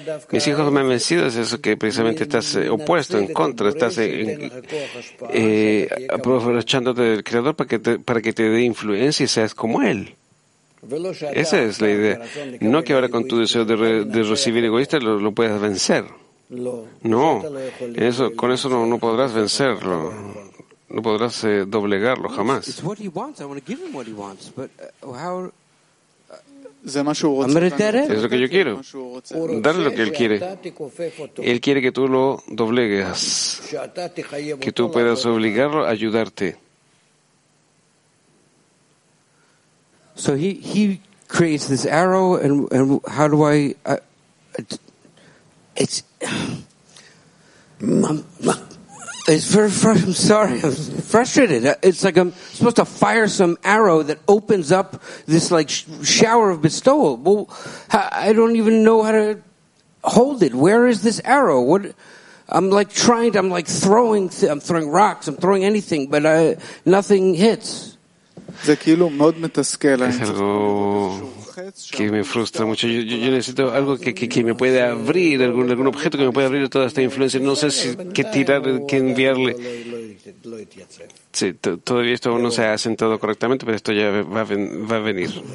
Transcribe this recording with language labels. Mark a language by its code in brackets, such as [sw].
[es] Mis hijos me han vencido, es eso que precisamente estás opuesto, en contra, estás aprovechándote del Creador para que te dé influencia y seas como Él. Esa es la idea. No que ahora con tu deseo de recibir egoísta lo puedas vencer. No, con eso no podrás vencerlo. no podrás doblegarlo jamás. [en] It's what he wants. I want to give him what he wants, but how? [es] Es lo que yo quiero. Darle lo que él quiere. Él quiere que tú lo doblegues. Que tú puedas obligarlo a ayudarte. [en] So he creates this arrow and how do I it's it's very frustrating. I'm sorry. I'm frustrated. It's like I'm supposed to fire some arrow that opens up this like shower of bestowal. Well, I don't even know how to hold it. Where is this arrow? What I'm like trying to, I'm like throwing I'm throwing rocks, I'm throwing anything, but nothing hits. [es] Es algo que me frustra mucho. Yo necesito algo que me pueda abrir, algún objeto que me pueda abrir toda esta influencia. No sé si qué tirar, qué enviarle. Sí, todavía esto no se ha sentado correctamente, pero esto ya va a venir.